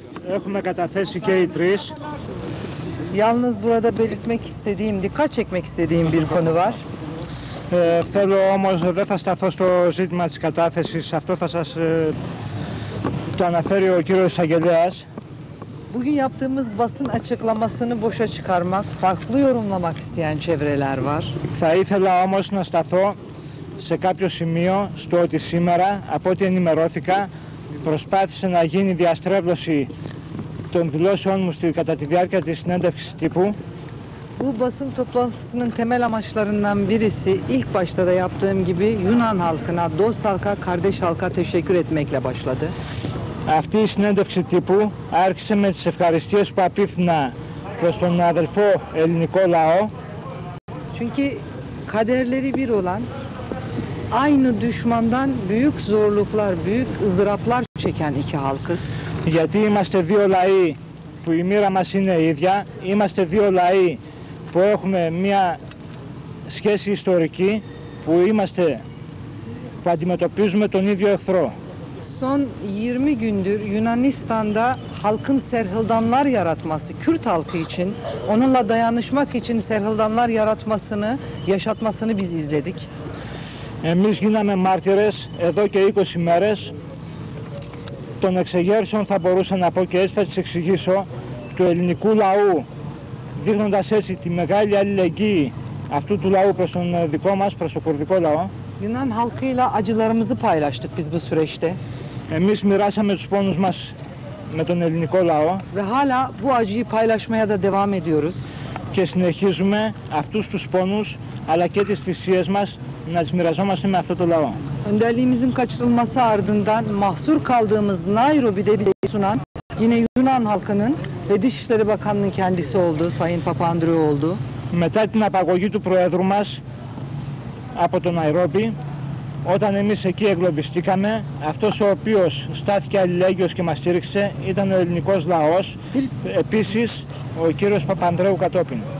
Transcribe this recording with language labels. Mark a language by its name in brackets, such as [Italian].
[Greek] Έχουμε καταθέσει και οι τρεις. [Turkish] Yalnız burada belirtmek istediğim, dikkat çekmek istediğim bir konu var. [Greek] Θέλω όμως, δεν θα σταθώ στο ζήτημα της κατάθεσης. Αυτό θα σας το αναφέρει ο κύριος εισαγγελέας. [Turkish] Bugün yaptığımız basın açıklamasını boşa çıkarmak, farklı yorumlamak isteyen çevreler var. [Greek] Θα ήθελα όμως να σταθώ σε κάποιο σημείο, στο ότι σήμερα, από ό,τι ενημερώθηκα, προσπάθησε να γίνει διαστρέβλωση των δηλώσεων μου κατά τη διάρκεια της συνέντευξης τύπου. [Turkish] Bu basın toplantısının temel amaçlarından birisi, ilk başta da yaptığım gibi, Yunan halkına, dost halka, kardeş halka teşekkür etmekle başladı. [Greek] Αυτή η συνέντευξη τύπου άρχισε με τις ευχαριστίες που απίθυνα προς τον αδελφό ελληνικό λαό. [Turkish] Çünkü kaderleri bir olan, aynı düşmandan büyük zorluklar, büyük ızdıraplar çeken iki halkız. [Greek] Γιατί είμαστε δύο λαοί που η μοίρα μας είναι ίδια, είμαστε δύο λαοί που έχουμε μια σχέση ιστορική, που είμαστε, που αντιμετωπίζουμε τον ίδιο εχθρό. [Turkish] Son 20 gündür Yunanistan'da halkın serhıldanlar yaratması, Kürt halkı için, onunla dayanışmak için serhıldanlar yaratmasını, yaşatmasını biz izledik. [Greek] Εμείς γίναμε μάρτυρες εδώ και 20 μέρες των εξεγέρσεων, θα μπορούσα να πω, και έτσι θα τις εξηγήσω, του ελληνικού λαού, δείχνοντας έτσι τη μεγάλη αλληλεγγύη αυτού του λαού προς τον δικό μας, προς το κουρδικό λαό. [Turkish] Yunan halkıyla acılarımızı paylaştık biz bu süreçte. [Greek] Εμείς μοιράσαμε τους πόνους μας με τον ελληνικό λαό. [Turkish] Ve hala bu acıyı paylaşmaya da devam ediyoruz. [Greek] Και συνεχίζουμε αυτούς τους πόνους αλλά και τις θυσίες μας να τις μοιραζόμαστε με αυτό το λαό. [Turkish] Önderliğimizin kaçırılması ardından mahsur kaldığımız Nairobi'de bize sunan yine Yunan halkının ve Dışişleri Bakanının kendisi oldu, Sayın Papandreou. [Greek] Μετά την απαγωγή του Προέδρου μας από το Nairobi, όταν εμείς εκεί εγκλωβιστήκαμε, αυτός ο οποίος στάθηκε αλληλέγγυος και μας στήριξε ήταν ο ελληνικός λαός, επίσης ο κύριος Παπανδρέου κατόπιν.